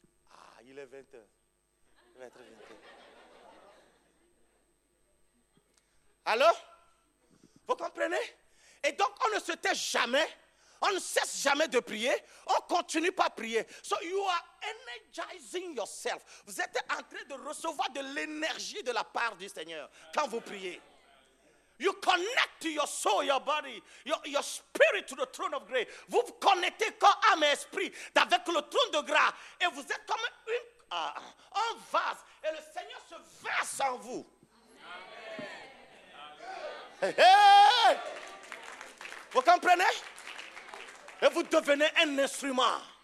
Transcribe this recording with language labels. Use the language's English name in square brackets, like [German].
[French] Ah, il est 20h. Il va être 20h. Allô? Vous comprenez? Et donc, on ne se tait jamais. On ne cesse jamais de prier. On ne continue pas à prier. [English] So you are energizing yourself. [French] Vous êtes en train de recevoir de l'énergie de la part du Seigneur quand vous priez. [English] You connect to your soul, your body, your spirit to the throne of grace. [French] Vous vous connectez corps, âme et esprit avec le trône de grâce. Et vous êtes comme un vase. Et le Seigneur se verse en vous. Amen. Amen. Hey, hey. Vous comprenez? Et vous devenez un instrument.